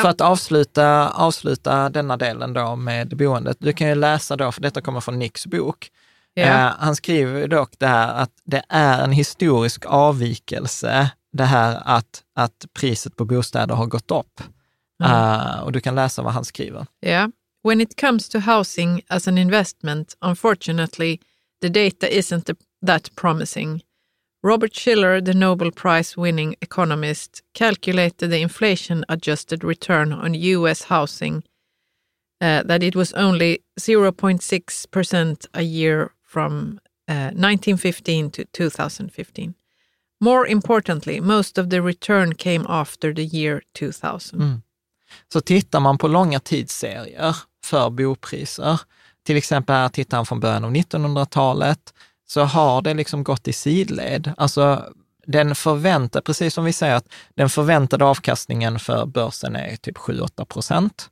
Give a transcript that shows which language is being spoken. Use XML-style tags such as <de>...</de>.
<sv>För att avsluta denna delen då med boendet. Du kan ju läsa då, för detta kommer från Nicks bok.</sv> <en>Yeah.</en> <sv>Han skriver dock det här att det är en historisk avvikelse, det här att priset på bostäder har gått upp. Mm. Och du kan läsa vad han skriver.</sv> <en>Yeah. When it comes to housing as an investment, unfortunately, the data isn't that promising. Robert Shiller, the Nobel Prize-winning economist, calculated the inflation-adjusted return on U.S. housing that it was only 0.6% a year from 1915 to 2015. More importantly, most of the return came after the year 2000. Mm.</en> <sv>Så tittar man på långa tidsserier för bopriser, till exempel här tittar man från början av 1900-talet, så har det liksom gått i sidled. Alltså den förväntade, precis som vi säger, att den förväntade avkastningen för börsen är typ 7-8%.</sv>